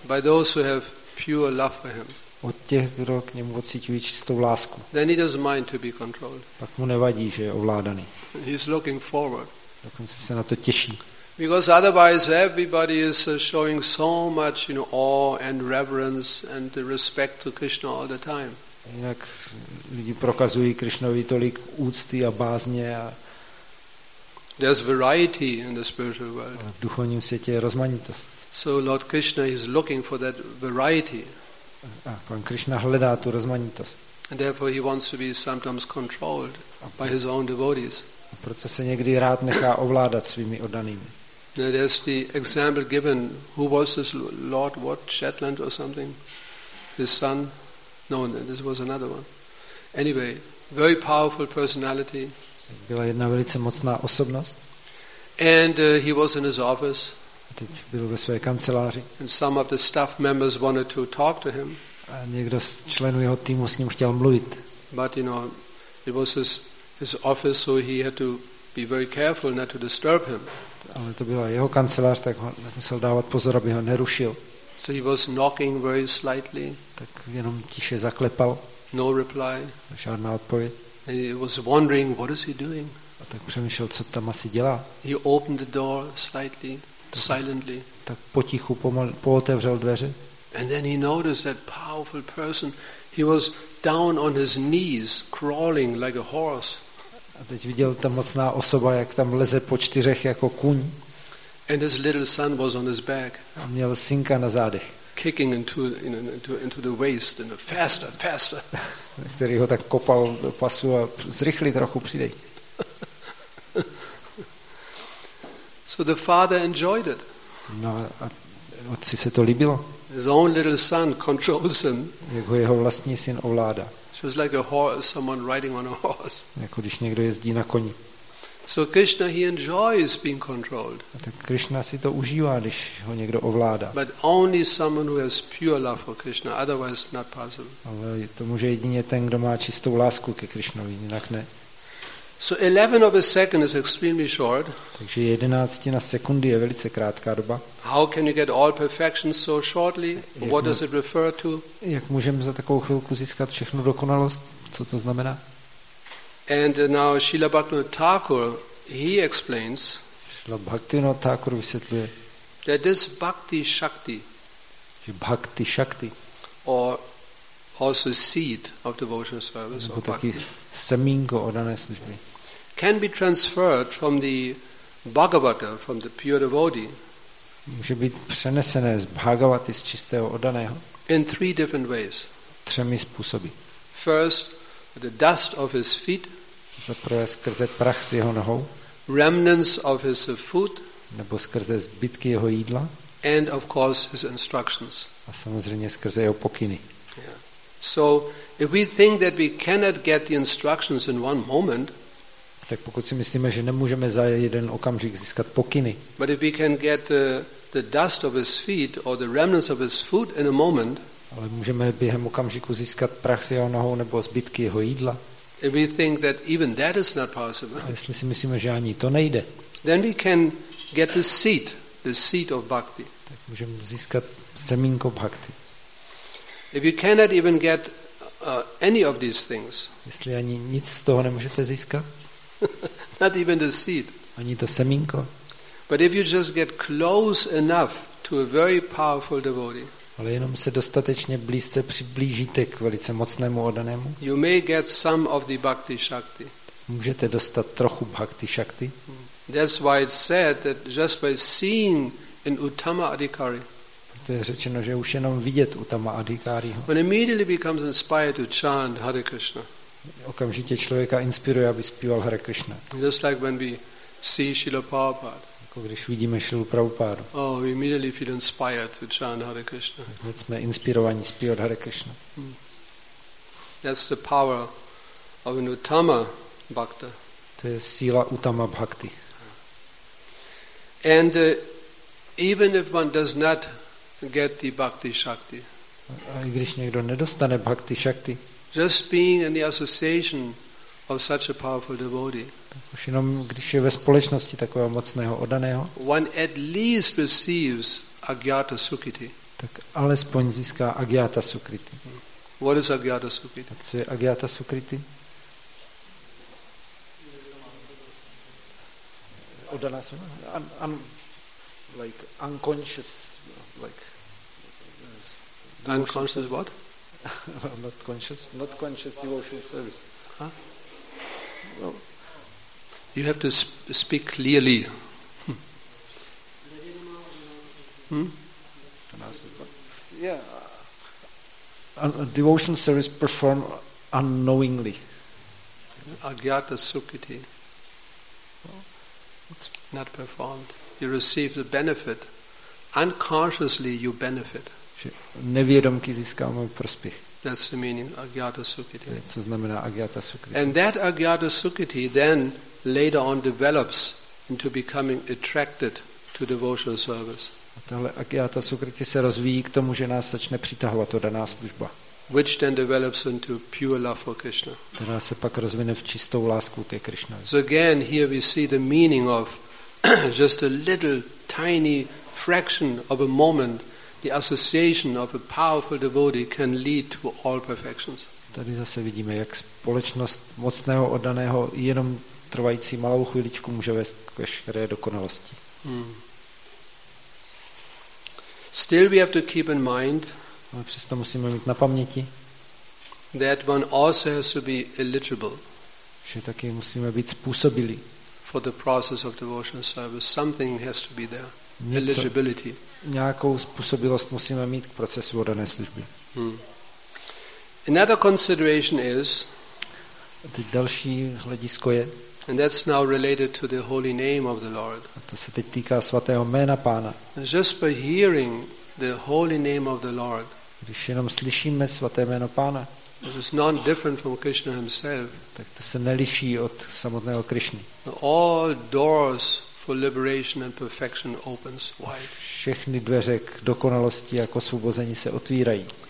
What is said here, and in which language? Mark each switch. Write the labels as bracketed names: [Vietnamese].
[English] By those who have pure love for him. [Czech] Od těch, kdo k němu pocítí čistou lásku. [English] Then he doesn't mind to be controlled. [Czech] Pak mu nevadí, že je ovládaný. [English] He's looking forward. [Czech] Dokonce se na to těší. [English] Because otherwise everybody is showing so much, you know, awe and reverence and the respect to Krishna all the time. [Czech] Jinak lidi prokazují Krishnovi tolik úcty a bázně a [English] there's variety in the spiritual world. [Czech] V duchovním světě je rozmanitost. [English] So Lord Krishna is looking for that variety. [Czech] A pan Krishna hledá tu rozmanitost. [English] And therefore he wants to be sometimes controlled by his own devotees. [Czech] Proto se někdy rád nechá ovládat svými oddanými. [English] There's the example given. Who was this Lord? What, Shetland or something? His son? No, this was another one. Anyway, very powerful personality. [Czech] Byla jedna velice mocná osobnost. [English] And he was in his office. [Czech] A teď byl ve své kanceláři. [English] And some of the staff members wanted to talk to him. [Czech] A někdo z členů jeho týmu s ním chtěl mluvit. [English] But you know, it was his office, so he had to be very careful not to disturb him. [Czech] Ale to byla jeho kancelář, tak ho musel dávat pozor, aby ho nerušil. [English] So he was knocking very slightly. [Czech] Tak jenom tiše zaklepal. [English] No reply. [Czech] Žádná odpověď. [English] And he was wondering what is he doing. [Czech] A tak přemýšlel, co tam asi dělá. [English] He opened the door slightly, silently. [Czech] Tak potichu pootevřel dveře. [English] And then he noticed that powerful person. He was down on his knees, crawling like a horse. [Czech] A teď viděl ta mocná osoba, jak tam leze po čtyřech jako kůň. [English] And his little son was on his back. [Czech] A měl synka na zádech. [English] Kicking into the waist and faster, faster. [Czech] Který ho tak kopal do pasu a zrychli trochu, přidej. [English] So the father enjoyed it. [Czech] No a otci se to líbilo. [English] His own little son controls him. [Czech] Jak ho jeho vlastní syn ovládá. [English] So it's like a horse, someone riding on a horse. [Czech] Jako když někdo jezdí na koni. [English] So Krishna, he enjoys being controlled. [Czech] A tak Krishna si to užívá, když ho někdo ovládá. [English] But only someone who has pure love for Krishna, otherwise not possible. [Czech] Ale to může jedině ten, kdo má čistou lásku ke Krishnovi, jinak ne. [English] So 11 of a second is extremely short. [Czech] Takže 11 sekundy je velice krátká doba. [English] How can you get all perfection so shortly? What does it refer to? [Czech] Jak můžeme za takovou chvilku získat všechnu dokonalost? Co to znamená? [English] And now Srila Bhaktivinoda Thakur, he explains. [Czech] Srila Bhaktivinoda Thakur vysvětluje. [English] That this bhakti shakti. [Czech] Že bhakti shakti. [English] Or also seed of devotional service. [Czech] Nebo taky semínko oddané služby. [English] Can be transferred from the Bhagavata, from the pure devotee. [Czech] Může být přenesené z Bhagavaty, z čistého oddaného. [English] In three different ways. [Czech] Třemi způsoby. [English] First, the dust of his feet. [Czech] Zaprvé skrze prach s jeho nohou. [English] Remnants of his food. [Czech] Nebo skrze zbytky jeho jídla. [English] And of course his instructions. [Czech] A samozřejmě skrze jeho pokyny. [English] So if we think that we cannot get the instructions in one moment, [Czech] tak pokud si myslíme, že nemůžeme za jeden okamžik získat pokyny, [English] but if we can get the dust of his feet or the remnants of his food in a moment, [Czech] ale můžeme během okamžiku získat prach s jeho nohou nebo zbytky jeho jídla, [English] if we think that even that is not possible, [Czech] a jestli si myslíme, že ani to nejde, [English] then we can get the seed of bhakti, [Czech] tak můžeme získat semínko bhakti. [English] If you cannot even get any of these things, [Czech] jestli ani nic z toho nemůžete získat, [English] not even the seed, [Czech] ani to semínko, [English] but if you just get close enough to a very powerful devotee, [Czech] ale jenom se dostatečně blízce přiblížíte k velice mocnému oddanému, [English] you may get some of the bhakti shakti, [Czech] můžete dostat trochu bhakti shakti, [English] That's why it's said that just by seeing in Uttama Adhikari, [Czech] to je řečeno, že už jenom vidět Uttama Adhikáriho. [English] One immediately becomes inspired to chant Hare Krishna. [Czech] Okamžitě člověka inspiruje, aby zpíval Hare Krishna. [English] Just like when we see Srila Prabhupada. [Czech] Jako když vidíme Šrilu Prabhupádu. [English] Oh, we immediately feel inspired to chant Hare Krishna. [Czech] Hned jsme inspirovaní zpívat Hare Krishna. [English] That's the power of an Uttama Bhakta. [Czech] To je síla Uttama Bhakti. [English] And even if one does not get the Bhakti Shakti, [Czech] a i když někdo nedostane Bhakti Shakti, [English] just being in the association of such a powerful devotee, [Czech] už jenom když je ve společnosti takového mocného oddaného, [English] one at least receives agyata sukriti. [Czech] Tak alespoň získá agyata sukriti. [English] What is agyata sukriti? [Czech] Co je agyata sukriti? Oddaná smrt. [English] Like unconscious, like unconscious what? not conscious devotional service. Huh? Well, you have to speak clearly. Yeah. Devotional service performed unknowingly. Agyata sukriti. It's not performed. You receive the benefit. Unconsciously you benefit. [Czech] Nevědomky získáme prospěch. [English] That's the meaning of agyata sukriti. [Czech] Co znamená agyata sukriti? [English] And that agyata sukriti then later on develops into becoming attracted to devotional service. [Czech] A tahle agyata sukriti se rozvíjí k tomu, že nás začne přitahovat to daná služba. [English] Which then develops into pure love for Krishna. [Czech] Která se pak rozvine v čistou lásku ke Krishnovi. [English] So again, here we see the meaning of just a little tiny fraction of a moment, the association of a powerful devotee can lead to all perfections. [Czech] Tady zase vidíme, jak společnost mocného oddaného jenom trvající malou chvíličku může vést k veškeré dokonalosti. [English] Still we have to keep in mind, [Czech] ale přesto musíme mít na paměti, [English] that one also has to be eligible, [Czech] že taky musíme být způsobili [English] for the process of devotional service. Something has to be there. [Czech] Něco, [English] eligibility. [Czech] Nějakou způsobilost musíme mít k procesu oddané služby. [English] Another consideration is, [Czech] the další hledisko je, [English] and that's now related to the holy name of the Lord. [Czech] A to se teď týká svatého jména Pána. [English] Just by hearing the holy name of the Lord, [Czech] když jenom slyšíme svaté jméno Pána, [English] this is not different from Krishna himself. [Czech] Tak to se neliší od samotného Krishny. [English] All doors for liberation and perfection opens wide. [Czech] Všechny dveře k dokonalosti a k osvobození se otvírají.